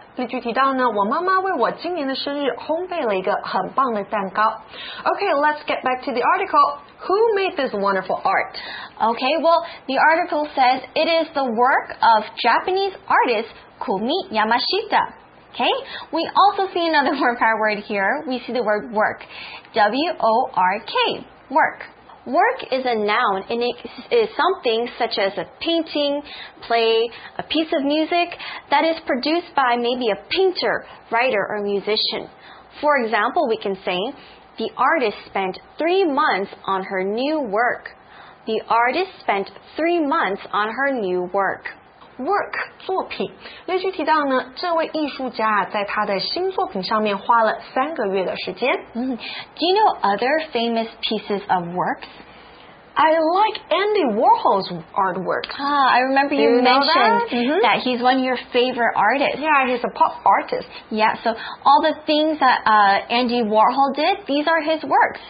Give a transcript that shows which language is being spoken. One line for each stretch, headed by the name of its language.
Chinese: 例句提到呢，我妈妈为我今年的生日烘焙了一个很棒的蛋糕。
English: Okay, let's get back to the article. Who made this wonderful art? Okay, well, the article says it is the work of Japanese artist Kumi Yamashita. Okay, we also see another word power word here. We see the word work, W-O-R-K, work. Work is a noun, and it is something such as a painting, play, a piece of music that is produced by maybe a painter, writer, or musician. For example, we can say, the artist spent 3 months on her new work. The artist spent 3 months on her new work. work 作品。
Chinese: 例句提到呢，这位艺术家啊，在他的新作品上面花了三个月的时间。
English: Do you know other famous pieces of works? I like Andy Warhol's artwork. I remember you mentioned that he's one of your favorite artists. Yeah, he's a pop artist. Yeah, so all the things that Andy Warhol did, these are his works.